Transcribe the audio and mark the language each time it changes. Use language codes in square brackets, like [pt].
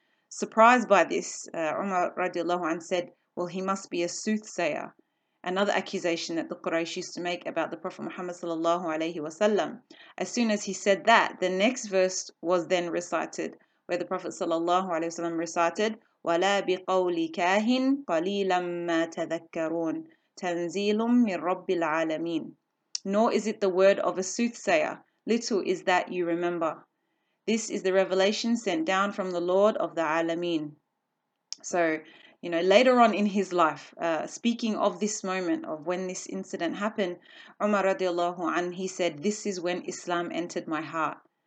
[en] Surprised by this, Umar radiallahu anhu said, "Well, he must be a soothsayer." Another accusation that the Quraysh used to make about the Prophet Muhammad sallallahu alayhi wasallam. As soon as he said that, the next verse was then recited, where the Prophet sallallahu alayhi wasallam recited, [ar] ولا بقول كاهن قليلا ما تذكرون تنزيل من رب العالمين. [en] Nor is it the word of a soothsayer. Little is that you remember. This is the revelation sent down from the Lord of the Alameen. So, you know, later on in his life, speaking of this moment of when this incident happened, Umar radiallahu anhu, he said, this is when Islam entered my heart.